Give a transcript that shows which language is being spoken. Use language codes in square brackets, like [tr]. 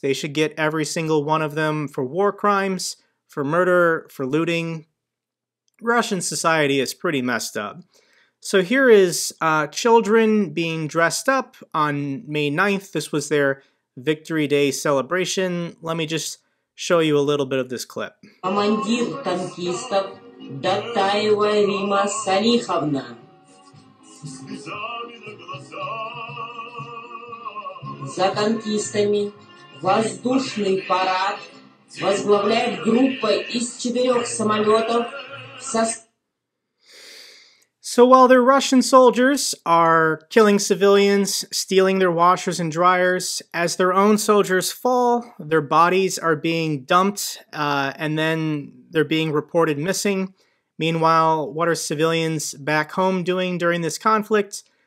[en] They should get every single one of them for war crimes, for murder, for looting. Russian society is pretty messed up. So here is children being dressed up on May 9th. This was their Victory Day celebration. Let me just show you a little bit of this clip. [ru] Командир танкистов Датаева Рима Салиховна. За танкистами воздушный парад возглавляет группа из четырех самолетов. [en] So while their Russian soldiers are killing civilians, stealing their washers and dryers, as their own soldiers fall, their bodies are being dumped, and then they're being reported missing. Meanwhile, what are civilians back home doing during this conflict?